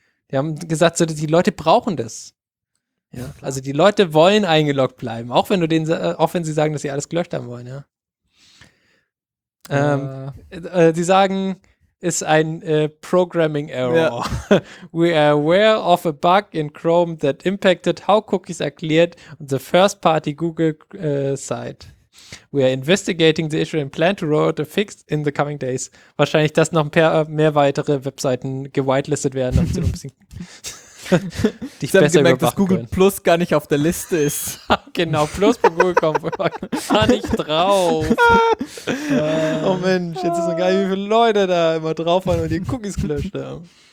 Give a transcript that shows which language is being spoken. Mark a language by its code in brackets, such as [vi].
[de] Die haben gesagt, so, die Leute brauchen das. Ja, also die Leute wollen eingeloggt bleiben, auch wenn sie sagen, dass sie alles gelöscht haben wollen. Ja. Die sagen, ist ein Programming Error. Ja. [en] We are aware of a bug in Chrome that impacted how cookies are cleared on the first party Google site. We are investigating the issue and plan to roll out a fix in the coming days. [de] Wahrscheinlich, dass noch mehr weitere Webseiten gewitelistet werden, damit sie ein bisschen dich besser überwachen können. Sie haben gemerkt, dass Google Plus gar nicht auf der Liste ist. Genau, Plus bei Google kommt gar nicht drauf. Oh Mensch, jetzt ist noch gar nicht, wie viele Leute da immer drauf waren und die Cookies gelöscht haben.